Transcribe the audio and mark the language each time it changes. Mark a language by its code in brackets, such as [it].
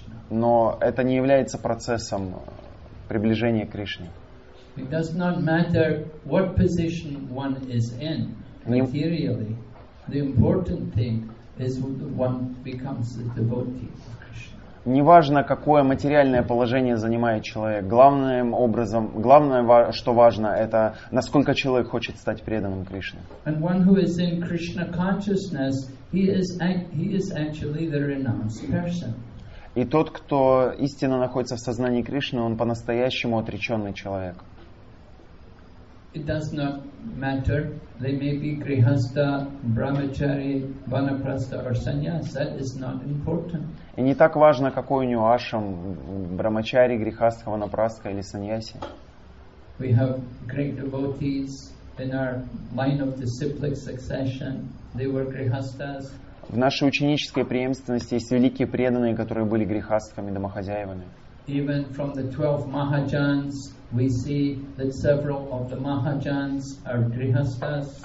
[ru] Но это не является процессом приближения к Кришне. [en] It does not matter what position one is in. Materially, the important thing is one becomes a devotee of Krishna. [ru] Неважно, какое материальное положение занимает человек. Главным образом, главное, что важно, это насколько человек хочет стать преданным Кришне. [en] And one who is in Krishna consciousness, he is actually the renounced person. [ru] И тот, кто истинно находится в сознании Кришны, он по-настоящему отреченный человек. [en] It does not matter. They may be grihastha, brahmachari, vanaprastha or sannyas. That is not important. [ru] И не так важно, какой у него ашрам, брахмачари, грихастха, ванапрастха или саньяси. [en] We have great devotees in our line of disciplic succession. They were grihasthas. [ru] В нашей ученической преемственности есть великие преданные, которые были грихастхами, домохозяевами. [en] Even from the 12 Mahajans, we see that several of the Mahajans are grihasthas.